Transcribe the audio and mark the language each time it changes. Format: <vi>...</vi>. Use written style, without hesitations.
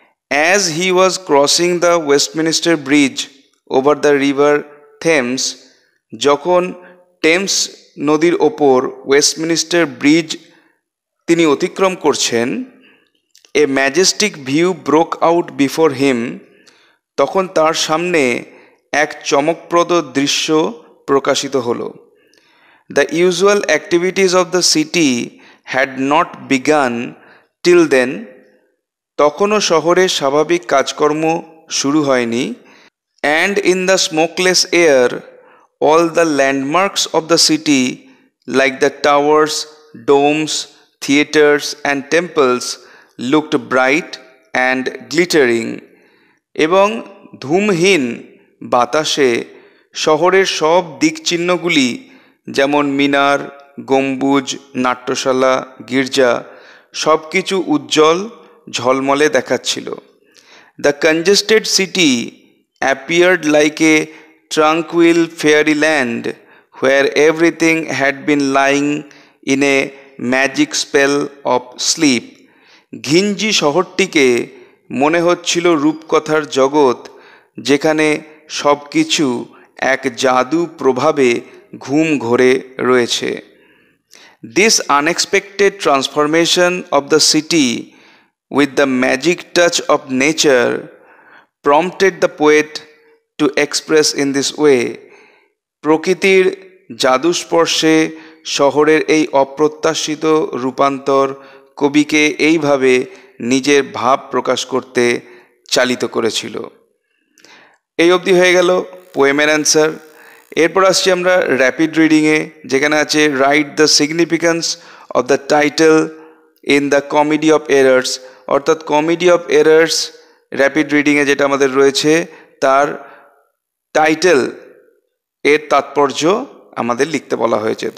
<en>as he was crossing the Westminster Bridge over the river Thames,</en> <bn>যখন Thames নদীর ওপর Westminster bridge তিনি অতিক্রম করছেন,</bn> <en>a majestic view broke out before him,</en> <bn>তখন তার সামনে এক চমকপ্রদ দৃশ্য প্রকাশিত হলো.</bn> <en>The usual activities of the city had not begun till then.</en> <bn>তখনও শহরের স্বাভাবিক কাজকর্ম শুরু হয়নি.</bn> <en>And in the smokeless air, all the landmarks of the city, like the towers, domes, theaters, and temples, looked bright and glittering.</en> <bn>এবং ধূমহীন বাতাসে শহরের সব দিকচিহ্নগুলি যেমন মিনার, গম্বুজ, নাট্যশালা, গির্জা সব কিছু উজ্জ্বল ঝলমলে দেখাচ্ছিল.</bn> <en>The congested city appeared like a tranquil fairyland where everything had been lying in a magic spell of sleep.</en> <bn>ঘিঞ্জি শহরটিকে মনে হচ্ছিল রূপকথার জগৎ যেখানে সব কিছু এক জাদু প্রভাবে ঘুম ঘরে রয়েছে.</bn> <en>This unexpected transformation of the city with the magic touch of nature prompted the poet to express in this way.</en> <bn>প্রকৃতির জাদুস্পর্শে শহরের এই অপ্রত্যাশিত রূপান্তর কবিকে এইভাবে নিজের ভাব প্রকাশ করতে চালিত করেছিল. এই অবধি হয়ে গেল পোয়েমের অ্যান্সার. এরপর আসছি আমরা র্যাপিড রিডিংয়ে, যেখানে আছে</bn> <en>right the significance of the title in the Comedy of Errors,</en> <bn>অর্থাৎ কমেডি অফ এরার্স র্যাপিড রিডিংয়ে যেটা আমাদের রয়েছে তার টাইটেল এর তাৎপর্য আমাদের লিখতে বলা হয়েছে.</bn>